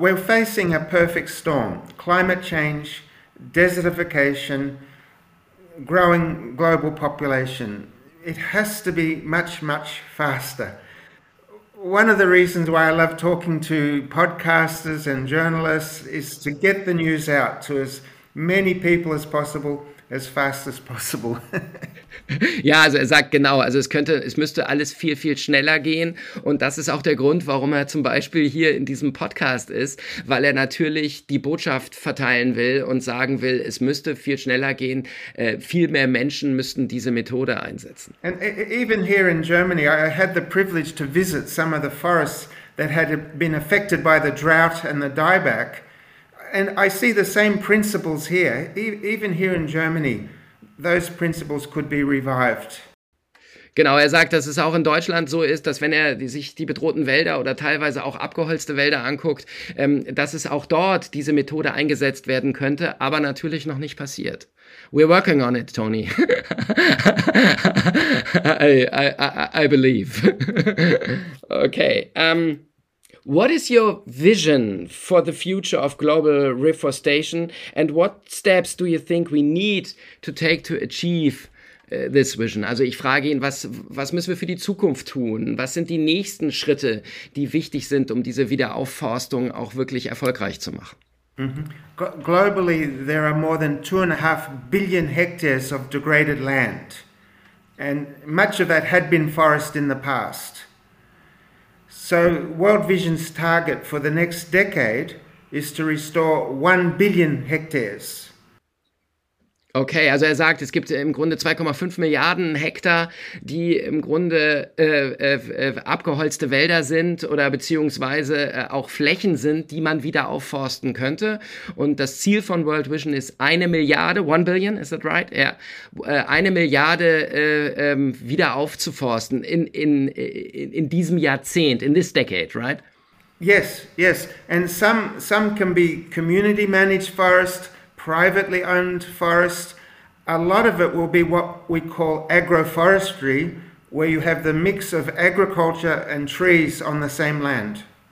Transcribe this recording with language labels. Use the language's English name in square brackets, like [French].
[English] We're facing a perfect storm. Climate change, desertification, growing global population. It has to be much, much faster. One of the reasons why I love talking to podcasters and journalists is to get the news out to as many people as possible, as fast as possible. [German] Ja, also er sagt genau, also es müsste alles viel, viel schneller gehen, und das ist auch der Grund, warum er zum Beispiel hier in diesem Podcast ist, weil er natürlich die Botschaft verteilen will und sagen will, es müsste viel schneller gehen, viel mehr Menschen müssten diese Methode einsetzen. [English] And even here in Germany, I had the privilege to visit some of the forests that had been affected by the drought and the dieback, and I see the same principles here, even here in Germany. Those principles could be revived. [German] Genau, er sagt, dass es auch in Deutschland so ist, dass wenn er sich die bedrohten Wälder oder teilweise auch abgeholzte Wälder anguckt, dass es auch dort diese Methode eingesetzt werden könnte, aber natürlich noch nicht passiert. [English] We're working on it, Tony. I believe. Okay. What is your vision for the future of global reforestation, and what steps do you think we need to take to achieve this vision? [German] Also ich frage ihn, was müssen wir für die Zukunft tun? Was sind die nächsten Schritte, die wichtig sind, um diese Wiederaufforstung auch wirklich erfolgreich zu machen? [English] Globally, there are more than 2.5 billion hectares of degraded land. And much of that had been forest in the past. So World Vision's target for the next decade is to restore 1 billion hectares. [German] Okay, also er sagt, es gibt im Grunde 2,5 Milliarden Hektar, die im Grunde abgeholzte Wälder sind oder beziehungsweise auch Flächen sind, die man wieder aufforsten könnte. Und das Ziel von World Vision ist [English] 1 billion, is that right? [German] Ja, 1 Milliarde wieder aufzuforsten in diesem Jahrzehnt, [English] in this decade, right? Yes, yes. And some can be community-managed forest, privately owned forest. A lot of it will be what we call agroforestry, where you have the mix of agriculture and trees on the same land.